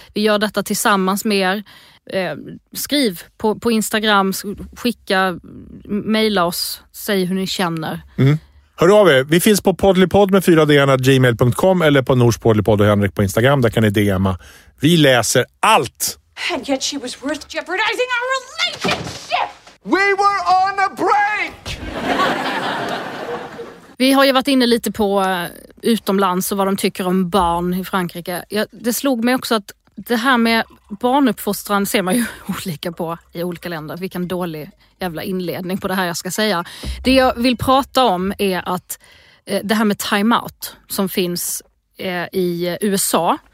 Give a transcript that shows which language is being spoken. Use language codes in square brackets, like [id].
[sv] Vi gör detta tillsammans med er. Skriv på Instagram, skicka, mejla oss, säg hur ni känner. Hör av er, vi finns på podlypod med 4dn@gmail.com eller på norspodlypod och Henrik på Instagram, där kan ni DMa. Vi läser allt. [en] And yet she was worth jeopardizing our relationship. We were on a break. [sv] Vi har ju varit inne lite på utomlands och vad de tycker om barn i Frankrike. Det slog mig också att det här med barnuppfostran ser man ju olika på i olika länder. Vilken dålig jävla inledning på det här jag ska säga. Det jag vill prata om är att det här med timeout som finns i USA.